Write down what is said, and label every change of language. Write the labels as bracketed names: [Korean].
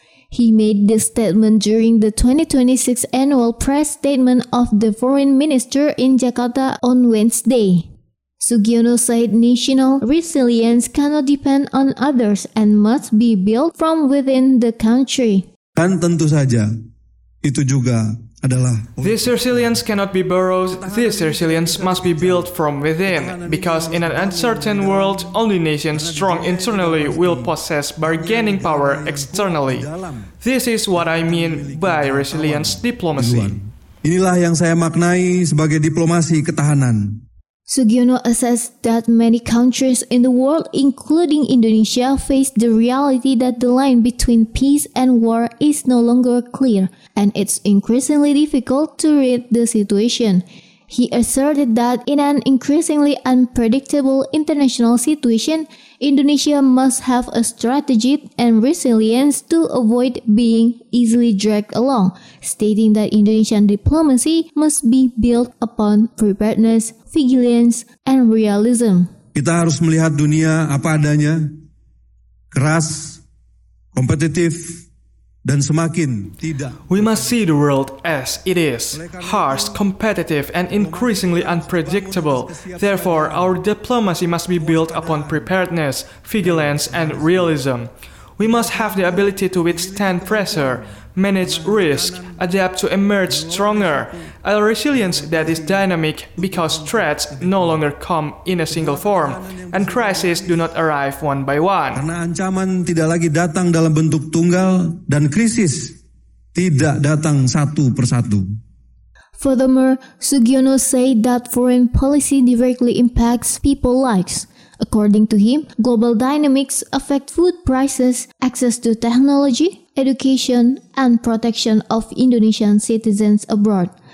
[English] He made this statement during the 2026 annual press statement of the foreign minister in Jakarta on Wednesday. Sugiono said national resilience cannot depend on others and must be built from within the country. [Indonesian] Kan tentu saja, itu juga adalah. [English] This resilience cannot be borrowed, this resilience must be built from within, because in an uncertain world, only nations strong internally will possess bargaining power externally. This is what I mean by resilience diplomacy. [Indonesian] Inilah yang saya maknai sebagai diplomasi ketahanan. [English] Sugiono assessed that many countries in the world, including Indonesia, face the reality that the line between peace and war is no longer clear, and it's increasingly difficult to read the situation. He asserted that in an increasingly unpredictable international situation, Indonesia must have a strategy and resilience to avoid being easily dragged along, stating that Indonesian diplomacy must be built upon preparedness, vigilance, and realism. [Indonesian] Kita harus melihat dunia apa adanya, keras, kompetitif, dan semakin tidak. [English] We must see the world as it is, harsh, competitive, and increasingly unpredictable. Therefore, our diplomacy must be built upon preparedness, vigilance, and realism. We must have the ability to withstand pressure, manage risk, adapt to emerge stronger, a resilience that is dynamic because threats no longer come in a single form, and crises do not arrive one by one. [Indonesian] Karena ancaman tidak lagi datang dalam bentuk tunggal dan krisis tidak datang satu persatu. [English] Furthermore, Sugiono said that foreign policy directly impacts people's lives. According to him, global dynamics affect food prices, access to technology, education, and protection of Indonesian citizens abroad.